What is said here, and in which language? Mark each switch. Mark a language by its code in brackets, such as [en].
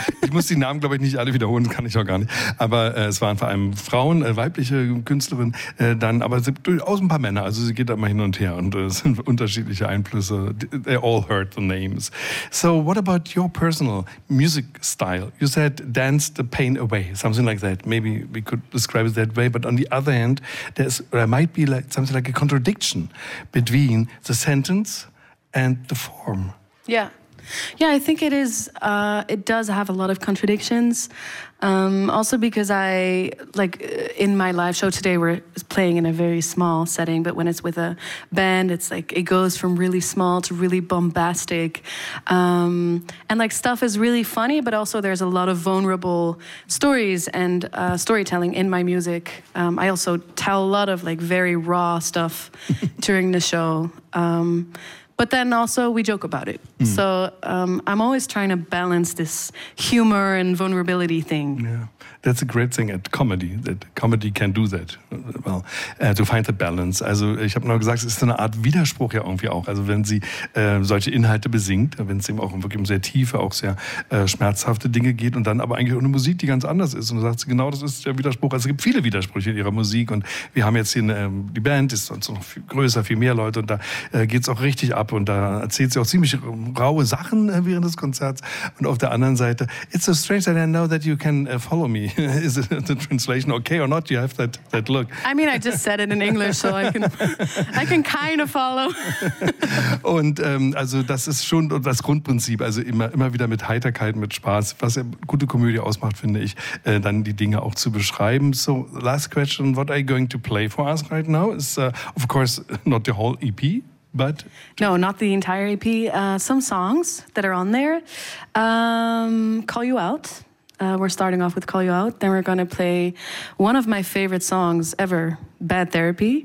[de] Ich muss die Namen, glaube ich, nicht alle wiederholen, kann ich auch gar nicht. Aber es waren vor allem Frauen, weibliche Künstlerinnen, aber durchaus ein paar Männer. Also sie geht da mal hin und her und es sind unterschiedliche Einflüsse. [en] They all heard the names. So what about your personal music style? You said dance the pain away, something like that. Maybe we could describe it that way. But on the other hand, something like a contradiction between the sentence and the form. Yeah. Yeah, I think it is. It does have a lot of contradictions. Also because I, like, in my live show today, we're playing in a very small setting, but when it's with a band, it's like, it goes from really small to really bombastic. And, like, stuff is really funny, but also there's a lot of vulnerable stories and storytelling in my music. I also tell a lot of, like, very raw stuff during the show. But then also we joke about it. Mm. So I'm always trying to balance this humor and vulnerability thing. Yeah, that's a great thing at comedy, that comedy can do that. Well, to find the balance. [de] Also ich habe noch gesagt, es ist so eine Art Widerspruch ja irgendwie auch. Also wenn sie solche Inhalte besingt, wenn es eben auch wirklich um sehr tiefe, auch sehr schmerzhafte Dinge geht und dann aber eigentlich auch eine Musik, die ganz anders ist. Und dann sagt sie, genau das ist der Widerspruch. Also es gibt viele Widersprüche in ihrer Musik. Und wir haben jetzt hier die Band, die ist sonst noch viel größer, viel mehr Leute. Und da geht es auch richtig ab. und da erzählt sie auch ziemlich raue Sachen während des Konzerts. Und auf der anderen Seite, [en] it's so strange that I know that you can follow me. Is the translation okay or not? You have that look. I mean, I just said it in English, so I can kind of follow. [de] Und also das ist schon das Grundprinzip, also immer wieder mit Heiterkeit, mit Spaß, was ja gute Komödie ausmacht, finde ich, dann die Dinge auch zu beschreiben. [en] So, last question, what are you going to play for us right now? It's of course not the whole EP, but... No, not the entire EP. Some songs that are on there. Call You Out. We're starting off with Call You Out. Then we're going to play one of my favorite songs ever, Bad Therapy.